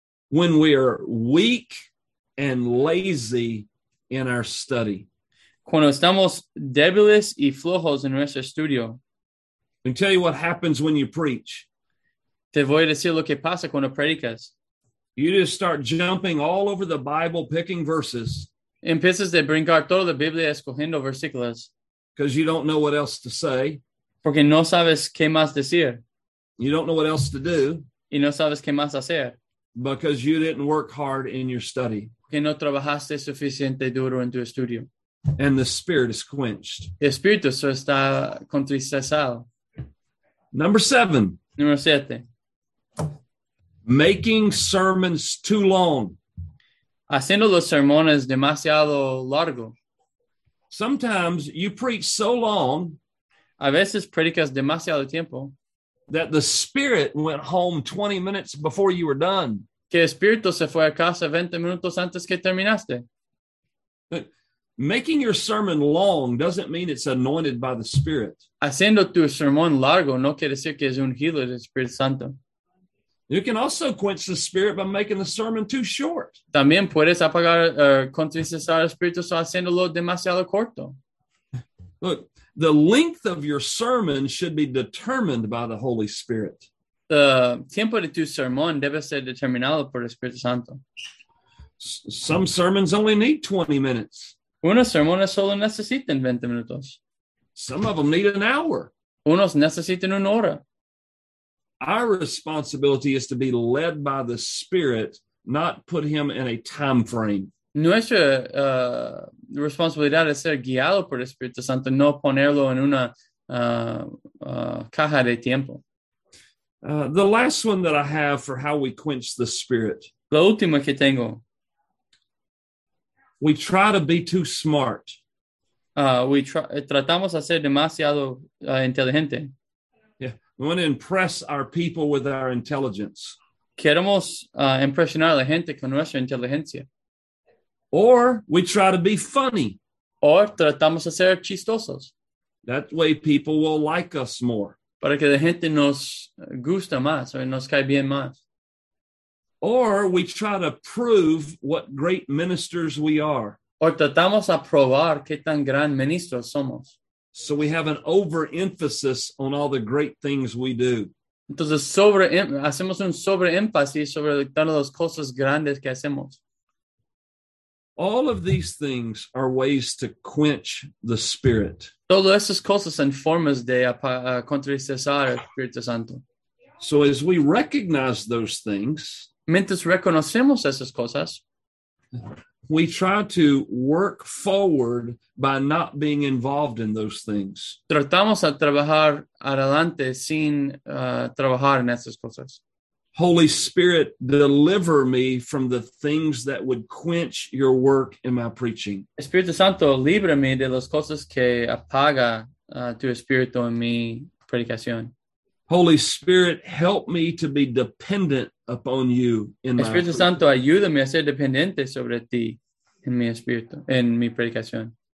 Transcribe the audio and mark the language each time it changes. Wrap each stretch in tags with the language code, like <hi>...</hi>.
<en>When we are weak and lazy in our study.</en> <es>Cuando estamos débiles y flojos en nuestro estudio.</es> <en>Let me tell you what happens when you preach.</en> <es>Te voy a decir lo que pasa cuando predicas.</es> <en>You just start jumping all over the Bible, picking verses.</en> <es>Empiezas de brincar toda la Biblia escogiendo versículos.</es> <en>Because you don't know what else to say.</en> <es>Porque no sabes qué más decir.</es> <en>You don't know what else to do.</en> <es>Y no sabes qué más hacer.</es> <en>Because you didn't work hard in your study.</en> <es>Que no trabajaste suficiente duro en tu estudio.</es> <en>And the Spirit is quenched.</en> <es>El Espíritu se está contristado.</es> <en>Number seven.</en> <es>Número siete.</es> <en>Making sermons too long.</en> <es>Haciendo los sermones demasiado largo.</es> <en>Sometimes you preach so long.</en> <es>A veces predicas demasiado tiempo.</es> <en>That the Spirit went home 20 minutes before you were done.</en> <es>Que el Espíritu se fue a casa 20 minutos antes que terminaste.</es> <en>Making your sermon long doesn't mean it's anointed by the Spirit.</en> <es>Haciendo tu sermón largo no quiere decir que es ungido del Espíritu Santo.</es> <en>You can also quench the Spirit by making the sermon too short.</en> <es>También puedes apagar, contristar al Espíritu Santo haciéndolo demasiado corto.</es> <en>Look, the length of your sermon should be determined by the Holy Spirit.</en> <es>The tiempo de tu sermón debe ser determinado por el Espíritu Santo.</es> <en>Some sermons only need 20 minutes.</en> <es>Unos sermones solo necesitan 20 minutos.</es> <en>Some of them need an hour.</en> <es>Unos necesitan una hora.</es> <en>Our responsibility is to be led by the Spirit, not put him in a time frame.</en> <es>Nuestra responsabilidad es ser guiado por el Espíritu Santo, no ponerlo en una caja de tiempo.</es> <en>The last one that I have for how we quench the Spirit.</en> <es>La última que tengo.</es> <en>We try to be too smart.</en> <es>Tratamos a ser demasiado inteligente.</es> <en>Yeah. We want to impress our people with our intelligence.</en> <es>Queremos impresionar a la gente con nuestra inteligencia.</es> <en>Or we try to be funny.</en> <es>Or tratamos a ser chistosos.</es> <en>That way people will like us more.</en> <es>Para que la gente nos gusta más o nos cae bien más.</es> <en>Or we try to prove what great ministers we are.</en> <es>O tratamos a probar qué tan gran ministros somos.</es> <en>So we have an overemphasis on all the great things we do.</en> <es>Entonces hacemos un sobreemphasis sobre todas las cosas grandes que hacemos.</es> <en>All of these things are ways to quench the Spirit.</en> <es>Todas esas cosas son formas de contristar el Espíritu Santo.</es> <en>So as we recognize those things,</en> <es>mientras reconocemos esas cosas,</es> <en>we try to work forward by not being involved in those things.</en> <es>Tratamos a trabajar adelante sin trabajar en esas cosas.</es> <en>Holy Spirit, deliver me from the things that would quench your work in my preaching.</en> <es>Espíritu Santo, líbrame de las cosas que apaga tu espíritu en mi predicación.</es> <en>Holy Spirit, help me to be dependent upon you in my</en> <es>Espíritu Santo, ayúdame a ser dependiente sobre ti en mi espíritu, en mi predicación.</es>